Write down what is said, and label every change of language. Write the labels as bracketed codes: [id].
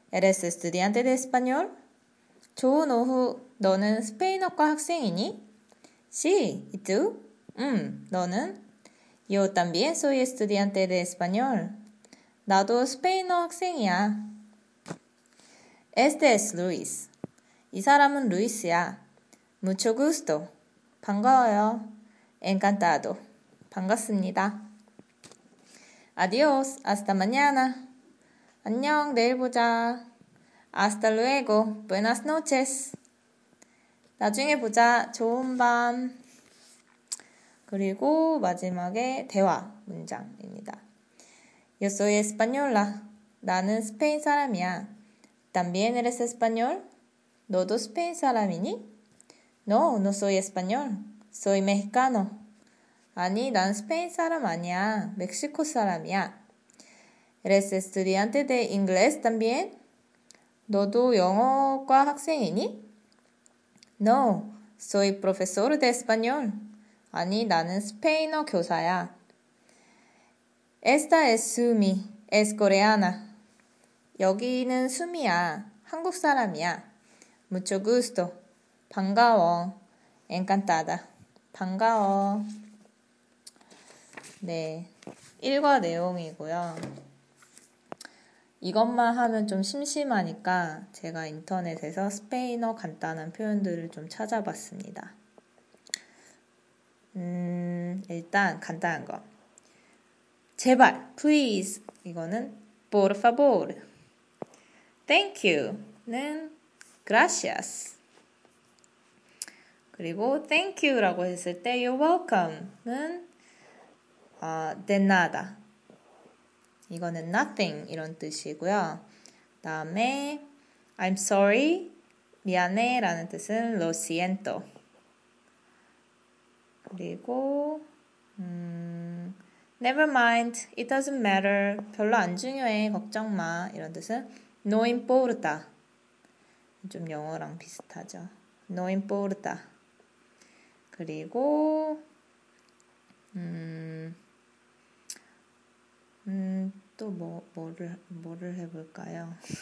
[es] ¿Eres estudiante de español? [ko] 좋은 오후. 너는 스페인어과 학생이니? [es] Sí, ¿y tú? [ko] 너는? [es] Yo también soy estudiante de español. [ko] 나도 스페인어 학생이야. [es] Este es Luis. [ko] 이 사람은 루이스야. [es] Mucho gusto. [ko] 반가워요. [es] Encantado. [ko] 반갑습니다. [es] Adiós. Hasta mañana. [ko] 안녕. 내일 보자. [es] Hasta luego. Buenas noches. [ko] 나중에 보자. 좋은 밤. 그리고 마지막에 대화 문장입니다. [es] Yo soy española. [ko] 나는 스페인 사람이야. [es] ¿También eres español? [ko] 너도 스페인 사람이니? [es] No, no soy español. Soy mexicano. [ko] 아니, 난 스페인 사람 아니야. 멕시코 사람이야. [es] ¿Eres estudiante de inglés también? [ko] 너도 영어과 학생이니? [es] No, soy profesor de español. [ko] 아니, 나는 스페인어 교사야. [es] Esta es Sumi. Es coreana. [ko] 여기는 수미야. 한국 사람이야. [es] Mucho gusto. [ko] 반가워. [es] Encantada. [ko] 반가워. 네. 일과 내용이고요. 이것만 하면 좀 심심하니까 제가 인터넷에서 스페인어 간단한 표현들을 좀 찾아봤습니다. 일단 간단한 거. 제발, please. 이거는 [es] por favor. [en] Thank you [ko] 는 gracias. 그리고 [en] thank you [ko] 라고 했을 때 [en] you're welcome [ko] 는 [es] de nada. [ko] 이거는 nothing 이런 뜻이고요. 다음에 [en] I'm sorry, [ko] 미안해라는 뜻은 [es] lo siento. [ko] 그리고 [en] never mind, it doesn't matter, [ko] 별로 안 중요해, 걱정 마 이런 뜻은 [es] No importa. [ko] 좀 영어랑 비슷하죠. [es] No importa. [ko] 그리고 또 뭐를 해볼까요?